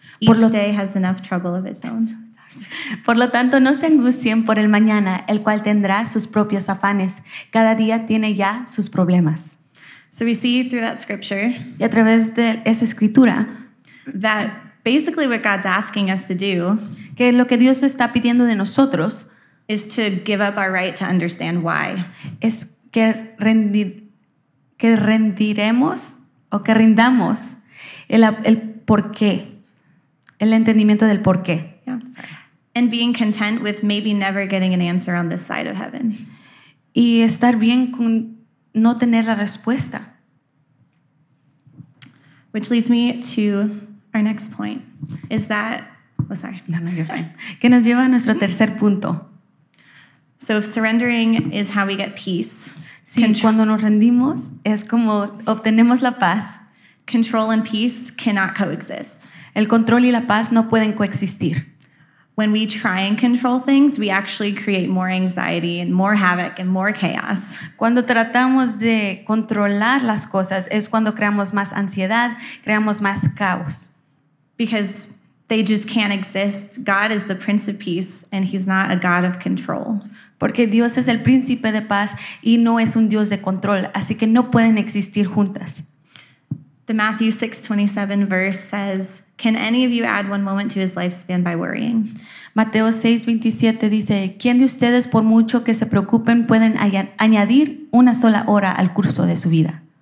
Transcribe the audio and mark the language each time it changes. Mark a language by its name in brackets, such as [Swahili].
[English] Each day has enough trouble of its own. [Spanish] Por lo tanto, no se angustien por el mañana, el cual tendrá sus propios afanes. Cada día tiene ya sus problemas. [English] So we see through that scripture, [Spanish] y a través de esa escritura, [English] that basically what God's asking us to do, [Spanish] que lo que Dios está pidiendo de nosotros, [English] is to give up our right to understand why. [Spanish] Es que rendiremos o que rindamos el por qué, El entendimiento del por qué. [English] And being content with maybe never getting an answer on this side of heaven. [Spanish] Y estar bien con no tener la respuesta. [English] Which leads me to our next point. Is that, oh sorry. No, you're fine. [Spanish] Que nos lleva a nuestro tercer punto. [English] So if surrendering is how we get peace. [Spanish] Sí, cuando nos rendimos es como obtenemos la paz. [English] Control and peace cannot coexist. [Spanish] El control y la paz no pueden coexistir. [English] When we try and control things, we actually create more anxiety and more havoc and more chaos. [Spanish] Cuando tratamos de controlar las cosas es cuando creamos más ansiedad, creamos más caos. [English] Because they just can't exist. God is the Prince of Peace and he's not a God of control. [Spanish] Porque Dios es el Príncipe de Paz y no es un Dios de control, así que no pueden existir juntas. [English] The Matthew 6:27 verse says, "Can any of you add one moment to his lifespan by worrying?" [Spanish] Mateo 6:27 dice, "¿Quién de ustedes por mucho que se preocupen pueden añadir una sola hora al curso de su vida?"